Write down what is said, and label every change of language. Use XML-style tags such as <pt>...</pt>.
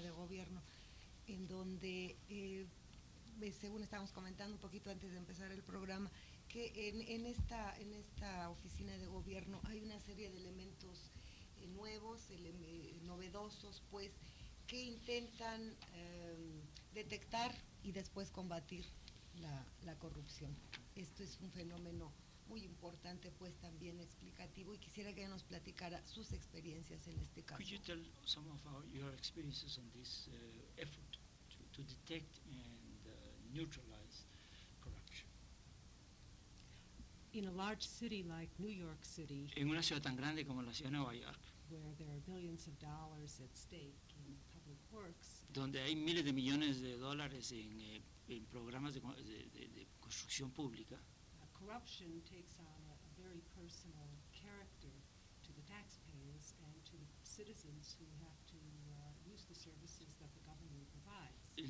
<es>de gobierno, en donde, según estábamos comentando un poquito antes de empezar el programa, que en esta oficina de gobierno hay una serie de elementos nuevos, novedosos, pues, que intentan detectar y después combatir la corrupción. Esto es un fenómeno muy importante, pues, también explicativo, y quisiera que ella nos platicara sus experiencias en este caso.</es> <en>Could you tell some of your experiences on this effort to detect and neutralize corruption? In a large city like New York City,</en> <es>en una ciudad tan grande como la ciudad de Nueva York,</es> <en>where there are billions of dollars at stake in public works,</en> <es>donde hay miles de millones de dólares en programas de construcción pública,</es> <en>corruption takes on a very personal character to the taxpayers and to the citizens who have to use the services that the government provides.</en>